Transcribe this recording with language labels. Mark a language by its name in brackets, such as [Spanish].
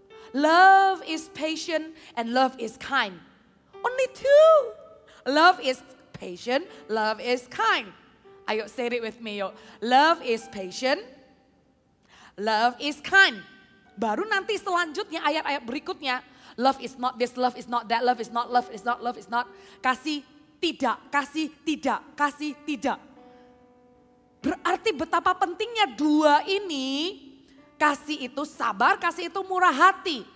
[English] Love is patient and love is kind. Only two. Love is patient, love is kind. Ayo, say it with me, yuk. Love is patient, love is kind. [Indonesian] Baru nanti selanjutnya, ayat-ayat berikutnya. [English] Love is not this, love is not that, love is not, love is not, love is not. [Indonesian] Kasih tidak, kasih tidak, kasih tidak. Berarti betapa pentingnya dua ini. Kasih itu sabar, kasih itu murah hati.